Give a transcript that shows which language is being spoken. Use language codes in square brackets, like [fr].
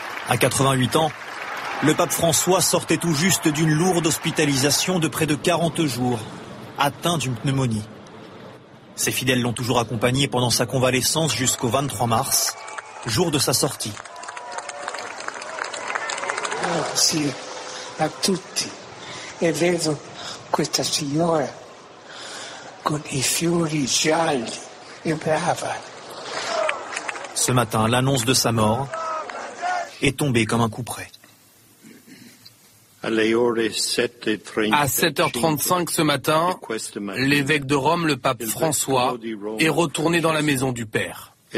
[fr] À 88 ans, le pape François sortait tout juste d'une lourde hospitalisation de près de 40 jours, atteint d'une pneumonie. Ses fidèles l'ont toujours accompagné pendant sa convalescence jusqu'au 23 mars, jour de sa sortie. Merci à [it] tutti. E vedo questa signora con i fiori gialli e brava. [fr] Ce matin, l'annonce de sa mort est tombée comme un couperet. À 7h35 ce matin, l'évêque de Rome, le pape François, est retourné dans la maison du Père.